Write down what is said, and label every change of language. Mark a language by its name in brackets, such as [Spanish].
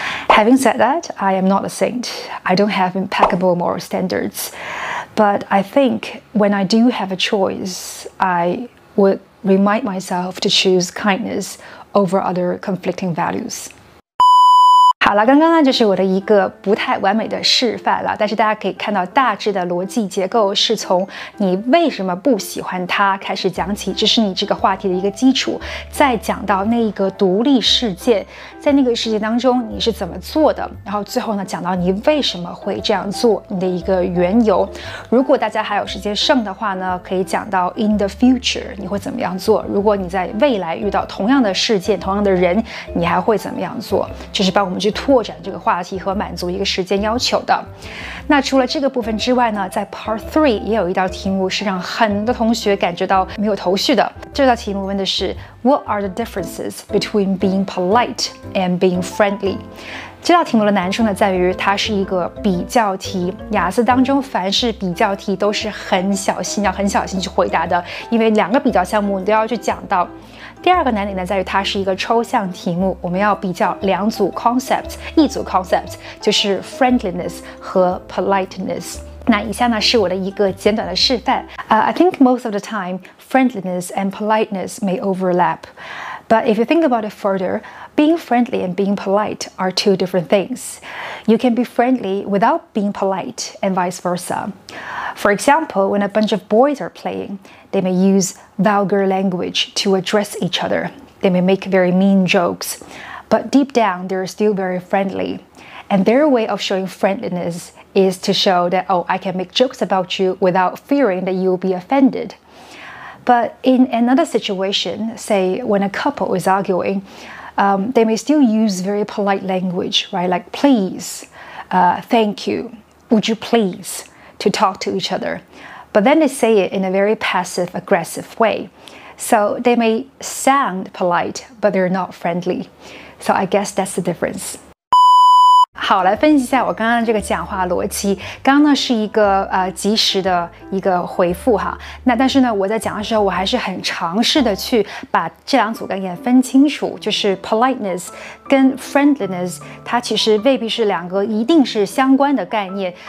[English] Having said that, I am not a saint. I don't have impeccable moral standards. But I think when I do have a choice, I would remind myself to choose kindness over other conflicting values. [Chinese] 好了，刚刚呢就是我的一个不太完美的示范了，但是大家可以看到大致的逻辑结构是从你为什么不喜欢他开始讲起，这是你这个话题的一个基础，再讲到那一个独立事件，在那个事件当中你是怎么做的，然后最后呢讲到你为什么会这样做，你的一个缘由。如果大家还有时间剩的话呢，可以讲到 [English] in the future [Chinese] 你会怎么样做，如果你在未来遇到同样的事件同样的人你还会怎么样做，就是帮我们去拓展这个话题和满足一个时间要求的。那除了这个部分之外呢，在 Part 3也有一道题目是让很多同学感觉到没有头绪的。这道题目问的是 [English] What are the differences between being polite and being friendly? [Chinese] 这道题目的难处呢，在于它是一个比较题。雅思当中，凡是比较题都是很小心，要很小心去回答的，因为两个比较项目你都要去讲到。第二个难点呢，在于它是一个抽象题目，我们要比较两组 concepts， 一组 concepts 就是 friendliness 和 politeness。那以下呢是我的一个简短的示范。 [English] I think most of the time, friendliness and politeness may overlap. But if you think about it further, being friendly and being polite are two different things. You can be friendly without being polite and vice versa. For example, when a bunch of boys are playing, they may use vulgar language to address each other. They may make very mean jokes, but deep down they're still very friendly. And their way of showing friendliness is to show that, oh, I can make jokes about you without fearing that you'll be offended. But in another situation, say when a couple is arguing, they may still use very polite language, right? Like please, thank you, would you please to talk to each other. But then they say it in a very passive aggressive way. So they may sound polite, but they're not friendly. So I guess that's the difference. [Chinese] 好，来分析一下我刚刚这个讲话逻辑。刚刚呢是一个及时的一个回复哈。那但是呢我在讲的时候我还是很尝试的去把这两组概念分清楚，就是 politeness 跟 friendliness 它其实未必是两个一定是相关的概念。